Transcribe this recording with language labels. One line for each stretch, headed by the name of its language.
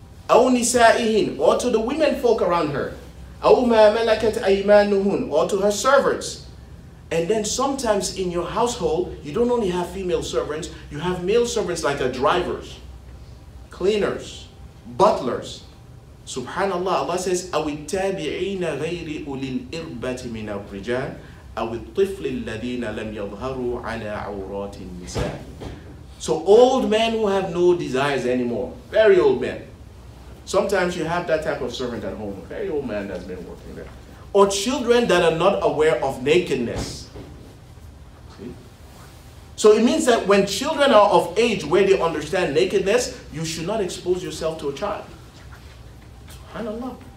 Arabic: أو نسائهن,
English: or to the women folk around her.
Arabic: أو ما ملكت أيمانهن,
English: or to her servants. And then sometimes in your household, you don't only have female servants, you have male servants like drivers, cleaners, butlers. Subhanallah, Allah says,
Arabic: أَوِ التَّابِعِينَ غَيْرِ أُولِي الْإِرْبَةِ مِنَ الرِّجَالِ أَوِ الطِّفْلِ الَّذِينَ لَمْ يَظْهَرُوا عَلَىٰ عَوْرَاتِ النِّسَاءِ.
English: So old men who have no desires anymore, very old men. Sometimes you have that type of servant at home, very old man that's been working there. Or children that are not aware of nakedness. See? So it means that when children are of age where they understand nakedness, you should not expose yourself to a child. SubhanAllah.